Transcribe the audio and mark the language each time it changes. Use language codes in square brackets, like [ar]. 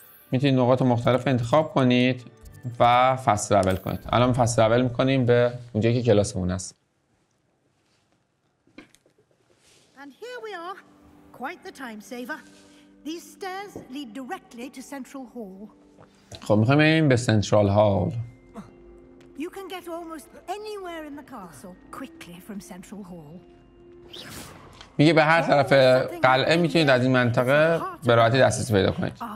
[fa] میتونید نقاط مختلف انتخاب کنید و فست ترول کنید. الان فست ترول میکنیم به اونجایی که کلاسمون هست. [en] And here we are. Quite the time saver. These stairs lead directly to Central Hall. [fa] خب میخوایم بریم به سنترال هال. [en] You can get almost anywhere in the castle quickly from Central Hall. [fa] میگه به هر طرف قلعه میتونید از این منطقه به راحتی دسترسی پیدا کنید.